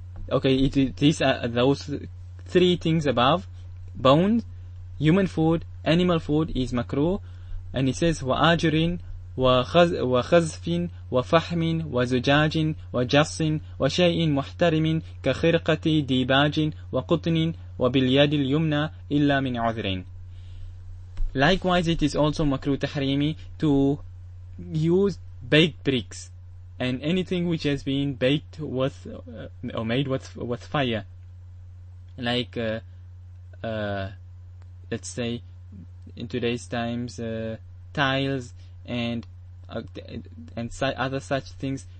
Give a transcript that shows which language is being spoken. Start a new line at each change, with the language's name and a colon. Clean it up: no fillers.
English: Okay, these are those three things above. Bone, human food, animal food is makruh. And he says,
Arabic: وَآجُرٍ وَخَزْفٍ وَفَحْمٍ وَزُجَاجٍ وَجَصٍ وَشَيْءٍ مُحْتَرِمٍ كَخِرْقَةِ دِيبَاجٍ وَقُطْنٍ وَبِالْيَدِ الْيُمْنَى إِلَّا مِنْ عُذْرٍ.
English: Likewise, it is also makruh tahrimi to use baked bricks and anything which has been baked with or made with fire, like let's say in today's times tiles and other such things.